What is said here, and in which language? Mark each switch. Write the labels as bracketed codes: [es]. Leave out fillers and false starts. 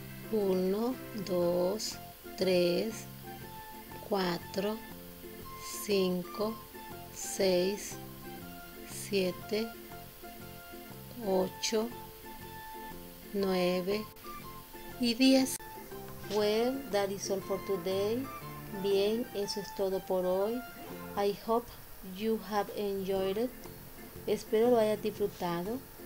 [es] Uno, dos, tres, cuatro, cinco, seis, siete, ocho, nueve y diez. [en] Well, that is all for today. [es] Bien, eso es todo por hoy. [en] I hope you have enjoyed it. [es] Espero lo hayas disfrutado.